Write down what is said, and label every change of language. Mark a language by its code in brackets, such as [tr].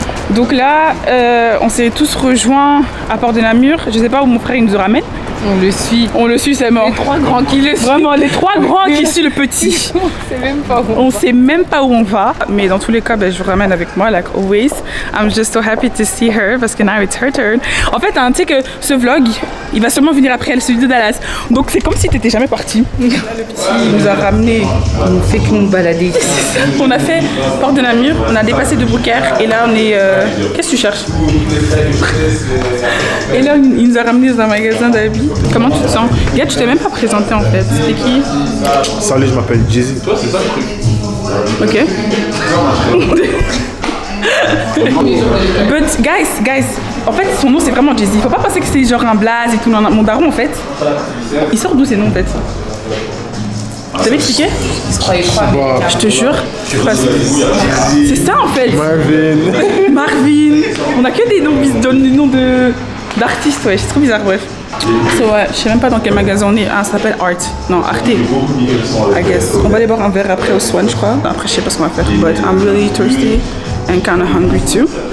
[fr] Donc là, on s'est tous rejoints à Port de Namur. Je sais pas où mon frère il nous ramène. On le suit, c'est mort. Les trois grands qui le suivent. Vraiment, les trois grands qui suivent le petit. On sait même pas où on va. Mais dans tous les cas, ben, je vous ramène avec moi, [en] like always. I'm just so happy to see her, [fr] parce que [en] now it's her turn. [fr] En fait, hein, tu sais que ce vlog, il va seulement venir après celui de Dallas. Donc c'est comme si t'étais jamais parti. Là, le petit nous a ramené. On fait que nous balader. On a fait Port de Namur, on a dépassé de Boucaire. Et là, on est... Qu'est-ce que tu cherches? Et là, il nous a ramené dans un magasin d'habits. Comment tu te sens? Gars, tu t'es même pas présenté en fait. C'est qui? Salut, je m'appelle Jay-Z. Toi, c'est ça le truc. Ok. [en] But guys, [fr] en fait, son nom c'est vraiment Jay-Z. Faut pas penser que c'est genre un blaze et tout. Mon daron en fait. Il sort d'où ses noms en fait? Vous avez expliqué? Je te jure. C'est ça en fait. Marvin. On a que des noms, d'artistes, ouais. C'est trop bizarre, bref. So, ouais, je sais même pas dans quel magasin on est. Ah, ça s'appelle Art. Non, Arte. [en] I guess. [fr] On va aller boire un verre après au Swan, je crois. Après, je sais pas ce qu'on va faire. [en] But I'm really thirsty and kind of hungry too.